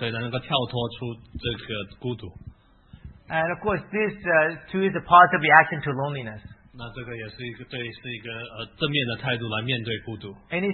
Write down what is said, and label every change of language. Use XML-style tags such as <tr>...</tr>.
<zh>那我们就是要做一些事情呢，所以能够跳脱出这个孤独。</zh> <en>And of course, this too is a positive reaction to loneliness.</en> <zh>那这个也是一个正面的态度来面对孤独。</zh> <en>Any</en>